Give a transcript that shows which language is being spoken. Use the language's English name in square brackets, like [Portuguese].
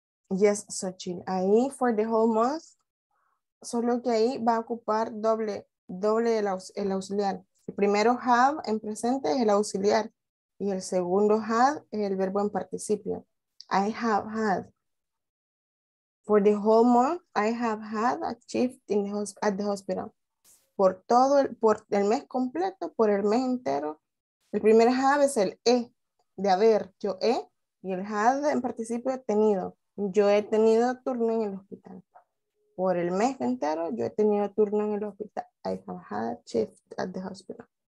[Spanish] Yes, Xochitl. Ahí, [English] for the whole month. [Spanish] Solo que ahí va a ocupar doble el auxiliar. El primero have en presente es el auxiliar. Y el segundo had es el verbo en participio. [English] I have had. For the whole month, I have had a shift in the at the hospital. [Spanish] Por todo por el mes completo, por el mes entero. El primer have es el he, de haber, yo he. Y el had en participio, tenido. Yo he tenido turno en el hospital. Por el mes entero, yo he tenido turno en el hospital. [English] I have had a shift at the hospital.